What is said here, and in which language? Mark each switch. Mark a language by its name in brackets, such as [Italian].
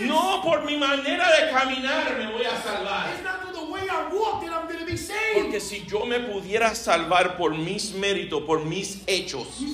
[Spanish] No por mi manera de caminar me voy a salvar. [English] It's not the way I walk that I'm going to be saved. [Spanish] Porque si yo me pudiera salvar por mis méritos, por mis hechos.